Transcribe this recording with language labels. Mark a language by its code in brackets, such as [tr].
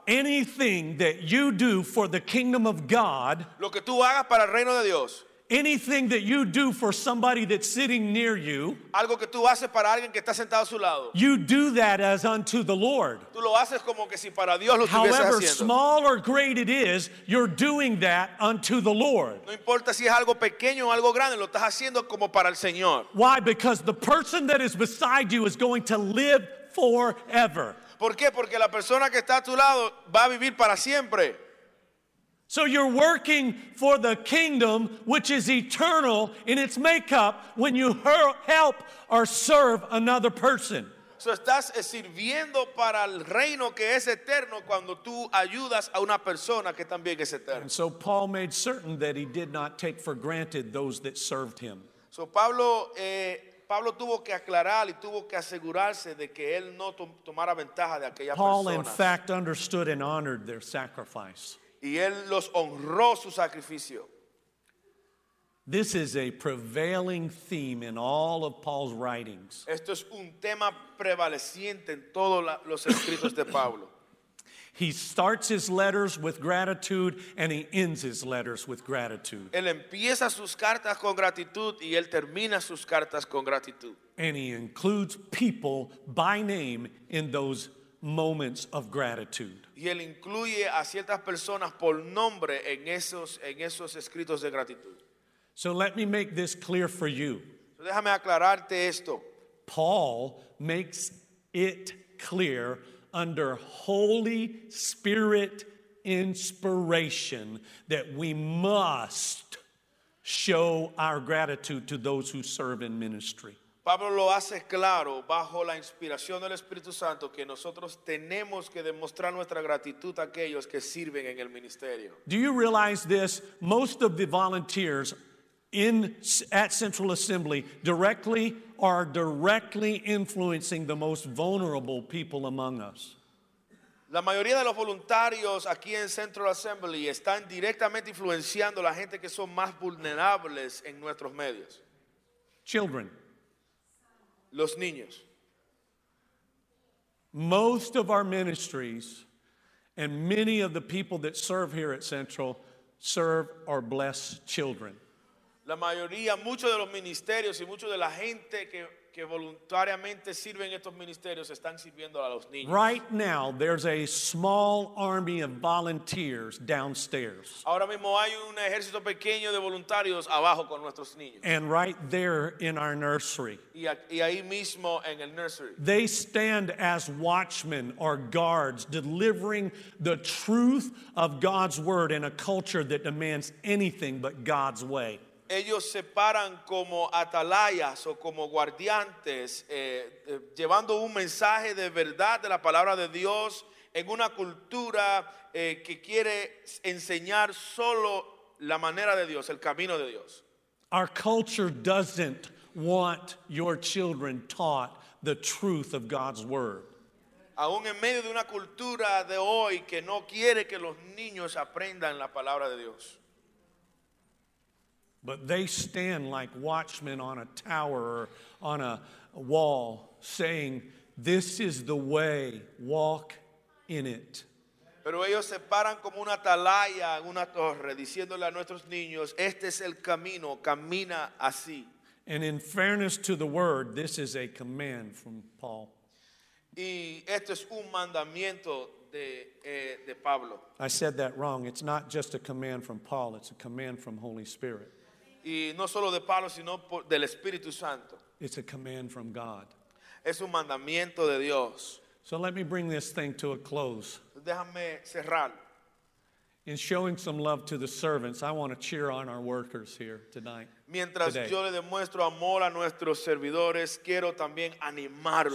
[en] Anything that you do for the kingdom of God. [es] Lo que tú hagas para el reino de Dios. [en] Anything that you do for somebody that's sitting near you, [es] algo que tú haces para alguien que está sentado a su lado, [en] you do that as unto the Lord. [es] Tú lo haces como que si para Dios lo [en] However Small or great it is, you're doing that unto the Lord. [es] No importa si es algo pequeño o algo grande, lo estás haciendo como para el Señor. [en] Why? Because the person that is beside you is going to live forever. [es] ¿Por qué? Porque la persona que está a tu lado va a vivir para siempre. [en] So you're working for the kingdom, which is eternal in its makeup, when you help or serve another person. [es] So estás sirviendo para el reino que es eterno cuando tú ayudas a una persona que también es eterna. [en] And so Paul made certain that he did not take for granted those that served him. [es] So Pablo tuvo que aclarar y tuvo que asegurarse de que él no tomara ventaja de aquella [en] Paul, [es] persona. [en] In fact, understood and honored their sacrifice. [es] Y él los honró su sacrificio. [en] This is a prevailing theme in all of Paul's writings. [es] Esto es un tema prevaleciente en todos los escritos de Pablo. [en] He starts his letters with gratitude and he ends his letters with gratitude. [es] Él empieza sus cartas con gratitud y él termina sus cartas con gratitud. [en] And he includes people by name in those moments of gratitude. [es] Y él incluye a ciertas personas por nombre en esos escritos de gratitud. [en] So let me make this clear for you. So [es] déjame aclararte esto. [en] Paul makes it clear under Holy Spirit inspiration that we must show our gratitude to those who serve in ministry. [es] Pablo lo hace claro bajo la inspiración del Espíritu Santo que nosotros tenemos que demostrar nuestra gratitud a aquellos que sirven en el ministerio. [en] Do you realize this? Most of the volunteers at Central Assembly are directly influencing the most vulnerable people among us. [es] La mayoría de los voluntarios aquí en Central Assembly están directamente influenciando la gente que son más vulnerables en nuestros medios. [en] Children. [es] Los niños. [en] Most of our ministries and many of the people that serve here at Central serve or bless children. [es] La mayoría, muchos de los ministerios y muchos de la gente que voluntariamente sirven estos ministerios están sirviendo a los niños. [en] Right now, there's a small army of volunteers downstairs. [es] Ahora mismo hay un ejército pequeño de voluntarios abajo con nuestros niños. [en] And right there in our nursery. [es] Y ahí mismo en el nursery. [en] They stand as watchmen or guards delivering the truth of God's word in a culture that demands anything but God's way. [es] Ellos se paran como atalayas o como guardiantes, llevando un mensaje de verdad de la palabra de Dios en una cultura que quiere enseñar solo la manera de Dios, el camino de Dios. [en] Our culture doesn't want your children taught the truth of God's word. [es] Aún en medio de una cultura de hoy que no quiere que los niños aprendan la palabra de Dios. [en] But they stand like watchmen on a tower or on a wall saying, this is the way, walk in it. [es] Pero ellos se paran como una atalaya en una torre diciéndole a nuestros niños, este es el camino, camina así. [en] And in fairness to the word, this is a command from Paul. [es] Y esto es un mandamiento de Pablo. [en] I said that wrong. It's not just a command from Paul. It's a command from Holy Spirit. [es] Y no solo de Pablo, sino del Espíritu Santo. [en] It's a command from God. [es] Es un mandamiento de Dios. [en] So let me bring this thing to a close. [es] Déjame cerrar. [en] In showing some love to the servants, I want to cheer on our workers here tonight. [es] Mientras [en] today. [es] Yo le demuestro amor a nuestros servidores, quiero también animarlos.